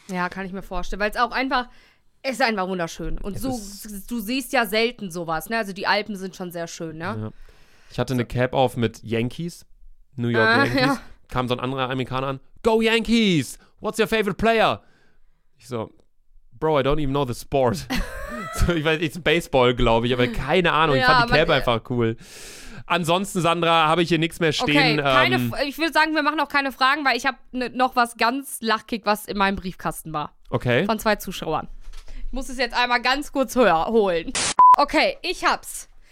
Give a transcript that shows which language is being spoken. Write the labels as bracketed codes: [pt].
[de] Ja, kann ich mir vorstellen, weil es auch einfach, es ist einfach wunderschön und du siehst ja selten sowas, ne? Also die Alpen sind schon sehr schön, ne? Ja. Ich hatte eine Cap auf mit Yankees, New York Yankees, kam so ein anderer Amerikaner an, [en] go Yankees, what's your favorite player? [de] Ich so, [en] bro, I don't even know the sport. [de] Ich weiß, [en] it's [de] Baseball, glaube ich, aber keine Ahnung, ich fand die Cap einfach cool. Ansonsten, Sandra, habe ich hier nichts mehr stehen. Okay, ich würde sagen, wir machen auch keine Fragen, weil ich habe noch was ganz Lachkick, was in meinem Briefkasten war. Okay. Von 2 Zuschauern. Ich muss es jetzt einmal ganz kurz holen. Okay, ich hab's.